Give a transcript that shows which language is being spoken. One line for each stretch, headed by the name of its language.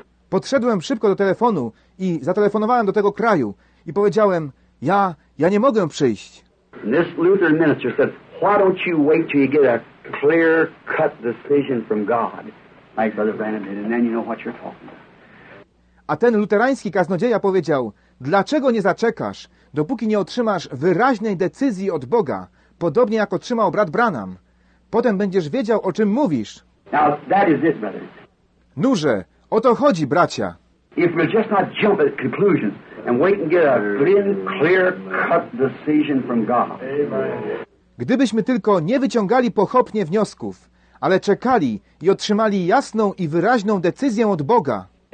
Polish: Podszedłem szybko do telefonu i zatelefonowałem do tego kraju i powiedziałem, ja nie mogę przyjść.
English: And this Lutheran minister said, why don't you wait till you get a clear cut decision from God? Like Brother Branham did, and then you know what you're talking about.
Polish: A ten luterański kaznodzieja powiedział, dlaczego nie zaczekasz, dopóki nie otrzymasz wyraźnej decyzji od Boga, podobnie jak otrzymał brat Branham. Potem będziesz wiedział, o czym mówisz.
English: Now, that is it, brother.
Polish: Nurze, o to chodzi, bracia.
English: If we'll just not jump at conclusions and wait and get a clean, clear-cut decision from God. Amen.
Polish: Gdybyśmy tylko nie wyciągali pochopnie wniosków, ale czekali i otrzymali jasną i wyraźną decyzję od Boga.